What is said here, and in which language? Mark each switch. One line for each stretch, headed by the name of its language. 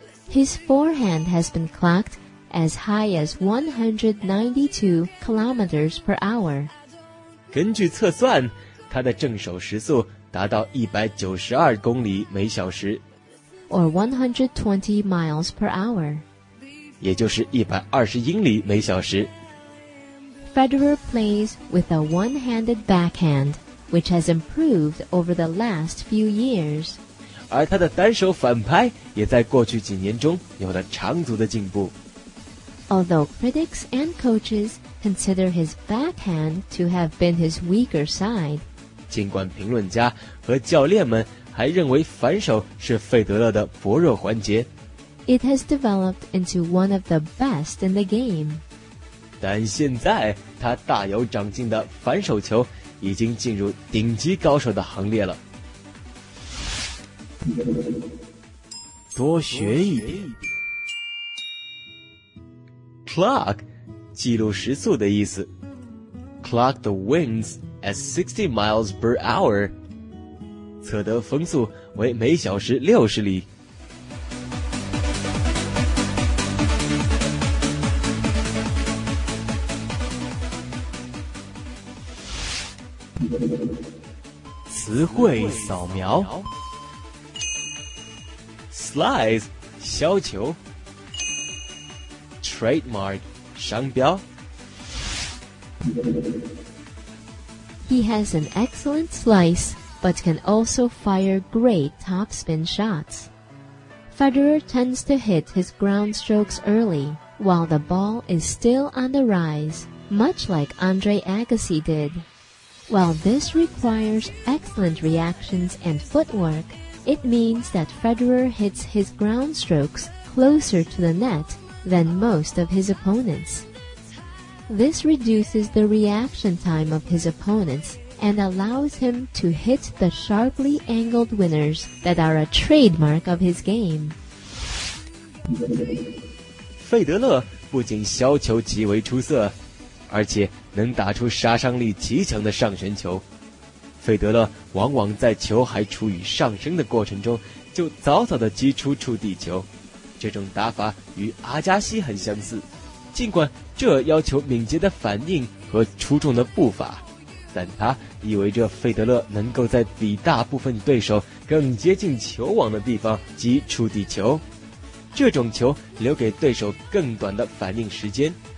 English: His forehand has been clocked as high as 192 kilometers per hour.
Chinese: 根据测算，他的正手时速达到192公里每小时。
English: Or 120 miles per hour.
Chinese: 也就是120英里每小时。
English: Federer plays with a one-handed backhand, which has improved over the last few years.
Chinese: 而他的单手反拍也在过去几年中有了长足的进步。
English: Although critics and coaches consider his backhand to have been his weaker side,
Chinese: 尽管评论家和教练们还认为反手是费德勒的薄弱环节，
English: it has developed into one of the best in the game.
Chinese: 但现在他大有长进的反手球已经进入顶级高手的行列了。多学一点。 Clock 记录时速的意思。
English: Clock the winds at 60 miles per hour.
Chinese: 测得风速为每小时60里。词汇扫描。 Slice 削球 Trademark 商标
English: He has an excellent slice but can also fire great topspin shots. Federer tends to hit his ground strokes early while the ball is still on the rise, much like Andre Agassi did. While this requires excellent reactions and footwork,It means that Federer hits his ground strokes closer to the net than most of his opponents. This reduces the reaction time of his opponents and allows him to hit the sharply angled winners that are a trademark of his game.
Chinese: 费德勒不仅削球极为出色，而且能打出杀伤力极强的上旋球。费德勒往往在球还处于上升的过程中就早早地击出触地球，这种打法与阿加西很相似，尽管这要求敏捷的反应和出众的步伐，但他意味着费德勒能够在比大部分对手更接近球网的地方击触地球，这种球留给对手更短的反应时间，